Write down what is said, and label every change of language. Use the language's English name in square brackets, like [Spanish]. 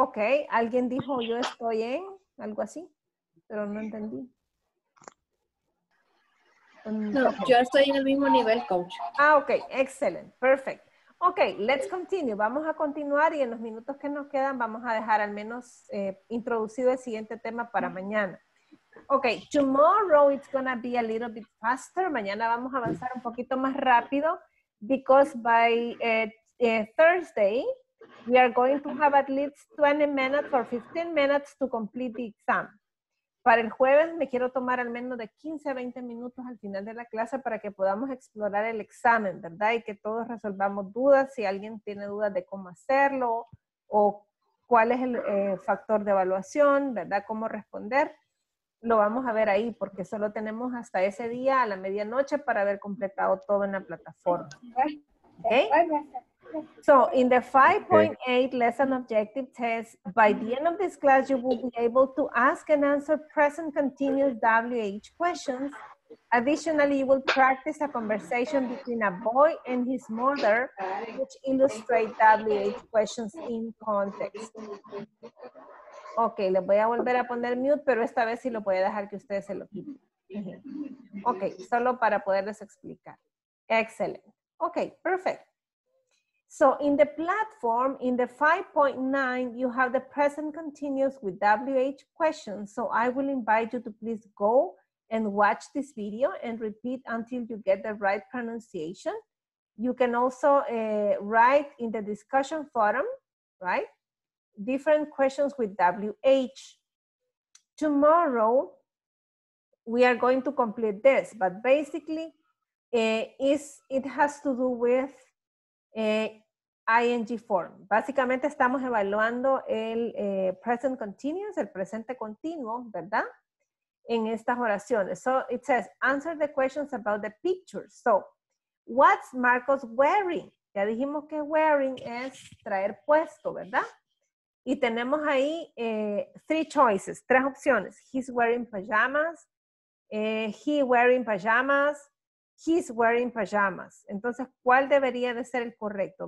[Spanish] Ok, alguien dijo yo estoy en algo así, pero no entendí. No, yo estoy en el mismo nivel, coach. [English] Ah, ok, excellent, perfect. Ok, let's continue. [Spanish] Vamos a continuar y en los minutos que nos quedan vamos a dejar al menos introducido el siguiente tema para mañana. [English] Ok, tomorrow it's gonna be a little bit faster. [Spanish] Mañana vamos a avanzar un poquito más rápido [English] because by Thursday we are going to have at least 20 minutes or 15 minutes to complete the exam. [Spanish] Para el jueves me quiero tomar al menos de 15 a 20 minutos al final de la clase para que podamos explorar el examen, ¿verdad? Y que todos resolvamos dudas, si alguien tiene dudas de cómo hacerlo o cuál es el factor de evaluación, ¿verdad? Cómo responder, lo vamos a ver ahí porque solo tenemos hasta ese día a la medianoche para haber completado todo en la plataforma. [English] ¿Okay? So, in the 5.8 lesson objective test, by the end of this class, you will be able to ask and answer present continuous WH questions. Additionally, you will practice a conversation between a boy and his mother, which illustrate WH questions in context. [Spanish] Ok, les voy a volver a poner mute, pero esta vez sí lo voy a dejar que ustedes se lo quiten. Ok, solo para poderles explicar. Excellent. Ok, perfecto. [English] So in the platform, in the 5.9, you have the present continuous with WH questions. So I will invite you to please go and watch this video and repeat until you get the right pronunciation. You can also write in the discussion forum, right? Different questions with WH. Tomorrow, we are going to complete this, but basically it has to do with ING form. [Spanish] Básicamente estamos evaluando el present continuous, el presente continuo, ¿verdad? En estas oraciones. [English] So it says, answer the questions about the picture. So, what's Marcos wearing? [Spanish] Ya dijimos que wearing es traer puesto, ¿verdad? Y tenemos ahí [English] three choices, [Spanish] tres opciones. [English] He's wearing pajamas. He wearing pajamas. He's wearing pajamas. [Spanish] Entonces, ¿cuál debería de ser el correcto?